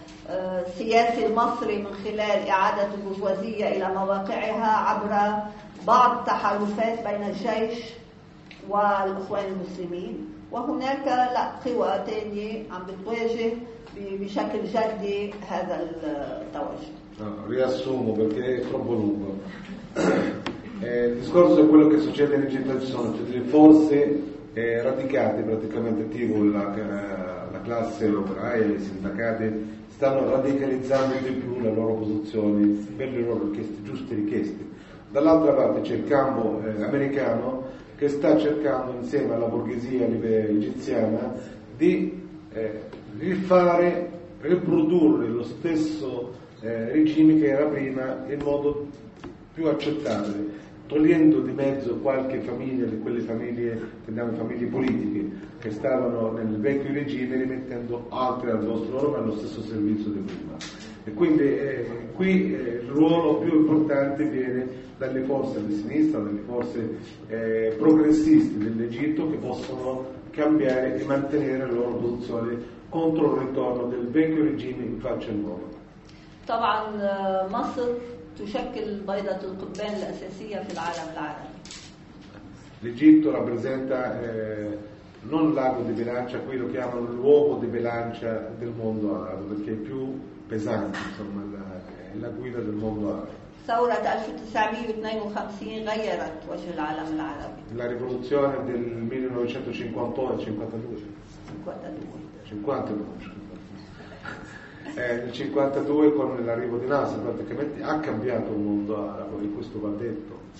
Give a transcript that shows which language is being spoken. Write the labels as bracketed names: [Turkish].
[Arabic] السياسي المصري من خلال إعادة البرجوازية إلى مواقعها عبر بعض التحالفات بين الجيش والإخوان المسلمين، وهناك لا قوى تانية عم بتواجه بشكل جدي هذا التواجه. [Italian] Riassumo perché è troppo lungo. Il discorso è quello che succede in Egitto, ci sono delle forze radicate praticamente, tipo la classe operaia, i sindacati stanno radicalizzando di più le loro posizioni per le loro richieste, giuste richieste. Dall'altra parte c'è il campo americano che sta cercando insieme alla borghesia egiziana di rifare, riprodurre lo stesso regime che era prima in modo più accettabile, togliendo di mezzo qualche famiglia di quelle famiglie, tendiamo famiglie politiche, che stavano nel vecchio regime, rimettendo altre al nostro ruolo, allo stesso servizio di prima. E quindi qui il ruolo più importante viene dalle forze di sinistra, dalle forze progressiste dell'Egitto che possono cambiare e mantenere la loro posizione contro il ritorno del vecchio regime in faccia al mondo. [Arabic] طبعا مصر تشكل بيضة القبان الأساسية في العالم العربي. [Italian] L'Egitto rappresenta non l'ago di bilancia, quello che chiamano l'uovo di bilancia del mondo arabo, perché è più pesante, insomma, la guida del mondo arabo. [Arabic] ثورة 1952 غيرت وجه العالم العربي. [Italian] La rivoluzione del 1952 con l'arrivo di Nasser praticamente ha cambiato il mondo arabo e questo va detto.